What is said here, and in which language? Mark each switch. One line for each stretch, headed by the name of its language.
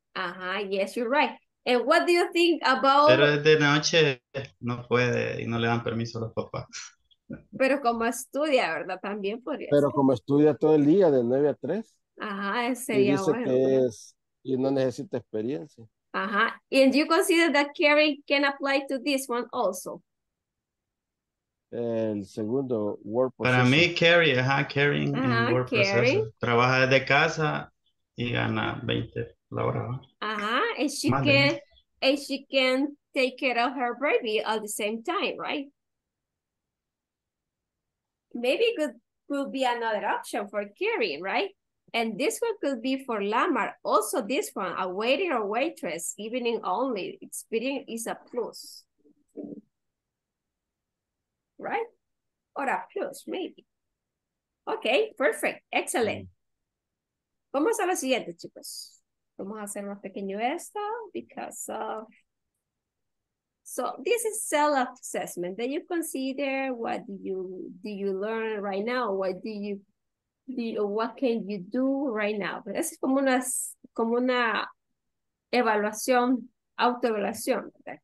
English: Ajá, yes, you're right. And what do you think about...
Spanish: Pero de noche no puede y no le dan permiso a los papás. Pero como estudia, ¿verdad? También podría ser. Pero como estudia todo el día, de 9 a 3. Ajá, sería bueno. Y dice que es, y no necesita experiencia. Uh-huh.
English: And you consider that caring can apply to this one also?
Spanish: El segundo, word processor. Para mí,
English: caring, caring and word processor.
Spanish: Trabaja desde casa y gana 20 la hora.
English: And she can take care of her baby at the same time, right? Maybe it could be another option for caring, right? And this one could be for Lamar. Also, this one, a waiter or waitress, evening only. Experience is a plus. Right? Or a plus, maybe. Okay, perfect. Excellent.
Spanish: Vamos a lo siguiente, chicos. Vamos a hacer más pequeño esto
English: because of... So this is self-assessment. Then you consider what do you learn right now? What can you do right now?
Spanish: Pero eso es como una evaluación, autoevaluación, ¿verdad?